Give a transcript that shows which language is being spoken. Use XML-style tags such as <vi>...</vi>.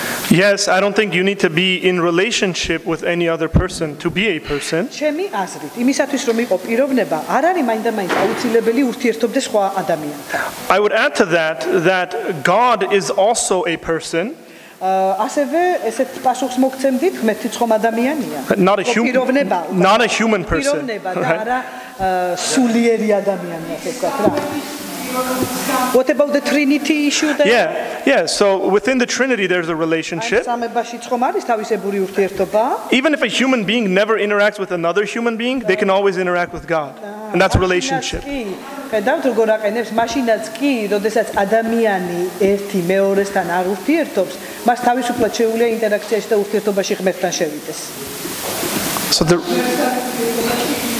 <en>yes I don't think you need to be in relationship with any other person to be a person</en> <ka>ჩემი აზრით იმისათვის რომ იყო პიროვნება არ არის მაინდამაინც აუცილებელი ურთიერთობდეს სხვა ადამიანთან</ka> <en>I would add to that that God is also a person</en> <ka>ასევე ესეთ პასუხს მოგცემდით ღმერთიც ხომ ადამიანია</ka> <en>not a human not a human person</en> <ka>პიროვნება და არა სულიერი ადამიანი ასე ვქოთ რა</ka> <en>What about the Trinity issue then? Yeah. Yeah, so within the Trinity there's a relationship. Even if a human being never interacts with another human being, they can always interact with God. And that's a relationship. So the</en>